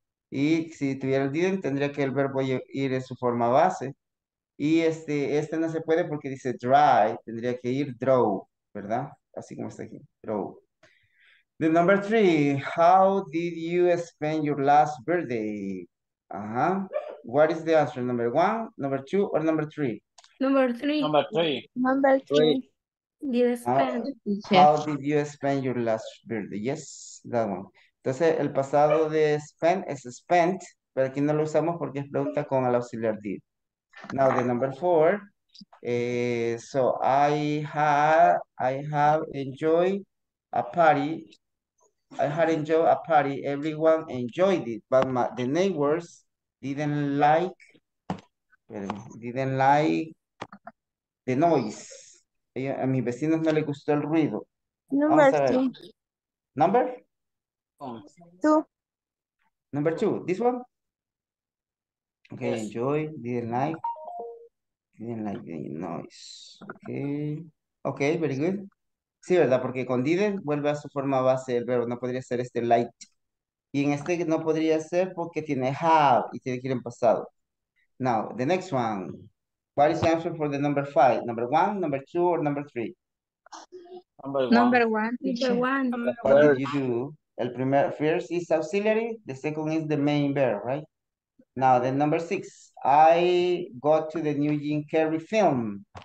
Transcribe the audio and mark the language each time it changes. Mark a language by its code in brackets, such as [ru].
[es] Y si tuviera el didn't, tendría que el verbo ir en su forma base. Y este no se puede porque dice drive, tendría que ir draw, ¿verdad? Así como está aquí, draw. [en] The number three, how did you spend your last birthday? Ajá. What is the answer, number one, number two, or number three? Number three. Number three. Number three. Did spend. How did you spend your last birthday? Yes, that one. [es] Entonces, el pasado de spend es spent, pero aquí no lo usamos porque es pregunta con el auxiliar did. [en] Now, the number four. So, I had enjoyed a party. Everyone enjoyed it, but the neighbors didn't like the noise. [es] A mis vecinos no les gustó el ruido. [en] Number two. Number? Two. Number two, this one? Okay, yes. Enjoy, didn't like the noise. Okay, very good. [es] Sí, ¿verdad? Porque con didn't vuelve a su forma base el verbo, no podría ser este light. Y en este no podría ser porque tiene have y tiene que ir en pasado. [en] Now, the next one. What is the answer for the number five? Number one, number two, or number three? Number one. What did you do? [es] El primer, [en] first is auxiliary, the second is the main verb, right? Now, the number six. I got to the new Jim Carrey film.